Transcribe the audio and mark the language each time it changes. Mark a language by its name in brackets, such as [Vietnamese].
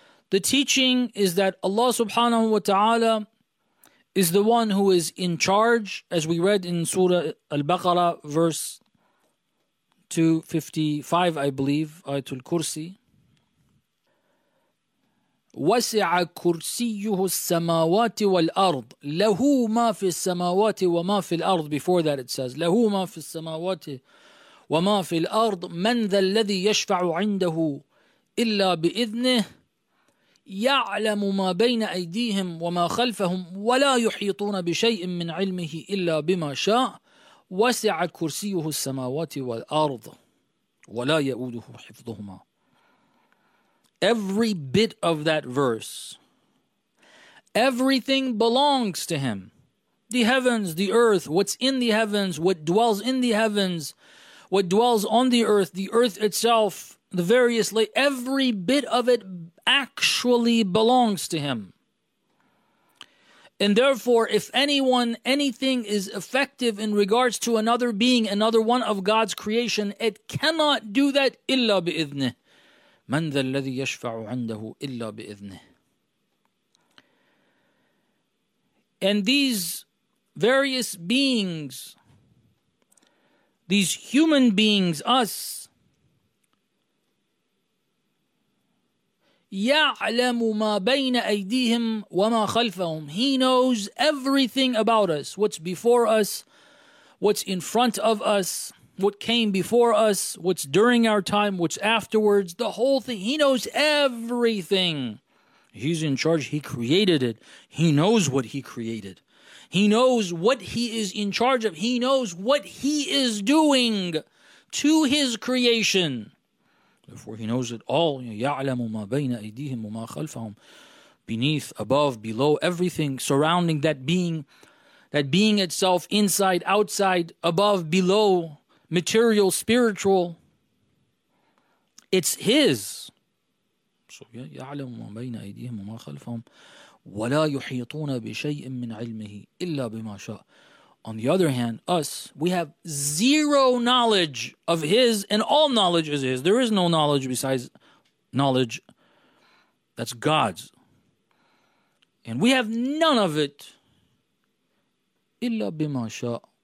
[English] The teaching is that Allah subhanahu wa ta'ala is the one who is in charge, as we read in Surah Al-Baqarah, verse 255, I believe, Ayatul Kursi. [Arabic] وسع كرسيه السماوات والأرض له ما في السماوات وما في الأرض. [English] Before that it says [Arabic] له ما في السماوات وما في الأرض من ذا الذي يشفع عنده إلا بإذنه يعلم ما بين أيديهم وما خلفهم ولا يحيطون بشيء من علمه إلا بما شاء وسع كرسيه السماوات والأرض ولا يؤوده حفظهما. [English] Every bit of that verse, everything belongs to him. The heavens, the earth, what's in the heavens, what dwells in the heavens, what dwells on the earth itself, the various, every bit of it actually belongs to him. And therefore, if anyone, anything is effective in regards to another being, another one of God's creation, it cannot do that [Arabic] illa bi'idhnih. من ذا الذي يشفع عنده إلا بإذنه. [English] And these various beings, these human beings, us, [Arabic] يعلم ما بين أيديهم وما خلفهم. [English] He knows everything about us, what's before us, what's in front of us, what came before us, what's during our time, what's afterwards, the whole thing. He knows everything. He's in charge. He created it. He knows what he created. He knows what he is in charge of. He knows what he is doing to his creation. Therefore, he knows it all. [Arabic] يَعْلَمُ مَا بَيْنَ أَيْدِيهِمْ وَمَا خَلْفَهُمْ. [English] Beneath, above, below, everything surrounding that being itself, inside, outside, above, below, material, spiritual, it's his. [Arabic] So يعلم ما بين أيديهم وما خلفهم ولا يحيطون بشيء من علمه إلا بما شاء. [English] On the other hand, us, we have zero knowledge of his, and all knowledge is his. There is no knowledge besides knowledge that's God's. And we have none of it [Arabic] إلا بما شاء.